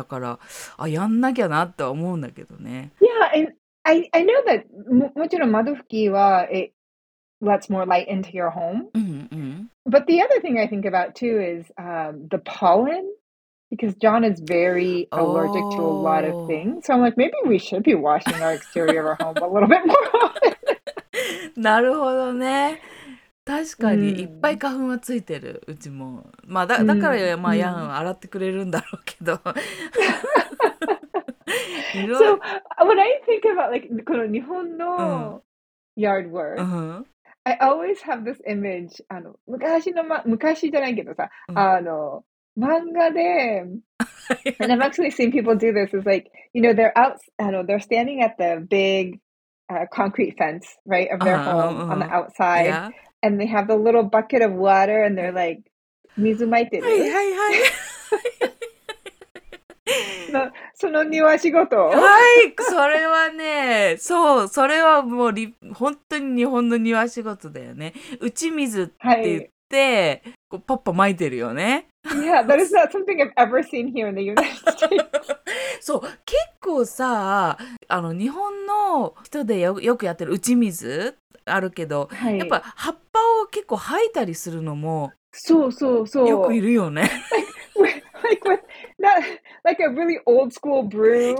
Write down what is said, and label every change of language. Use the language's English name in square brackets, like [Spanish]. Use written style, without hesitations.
[Japanese] だから、あ、やんなきゃなっては思うんだけどね。 [English] Yeah, and I know that [Japanese] もちろん窓拭きは [English] it lets more light into your home. But the other thing I think about too is the pollen. Because John is very allergic to a lot of things. So I'm like, maybe we should be washing our exterior of our home a little bit more often. [Japanese] なるほどね。確かにいっぱい花粉はついてる、うちも。まあ だからまあヤン洗ってくれるんだろうけど。 [English] So when I think about like [Japanese] この日本の [English] yard work,、 [Japanese] うん、 [English] I always have this image. [Japanese] あの昔の、ま、昔じゃないけどさ、うん、あの漫画で、 [English] and I've actually seen people do this. It's like you know they're out, [Japanese] あの [English] they're standing at the bigconcrete fence, right, of their home on the outside. Yeah. And they have the little bucket of water and they're like, [Japanese] 水まいてる。はいはいはい。その庭仕事。はい、それはね、そう、それはもう本当に日本の庭仕事だよね。打ち水って言って、はい、こうパッパ撒いてるよね。 [English] Yeah, that is not something I've ever seen here in the United States. [Japanese] そう、結構さ、あの日本の人でよくやってる打ち水あるけど、はい、やっぱ葉っぱを結構吐いたりするのも、そうそうそう、よくいるよね。 [English] Like a really old school broom.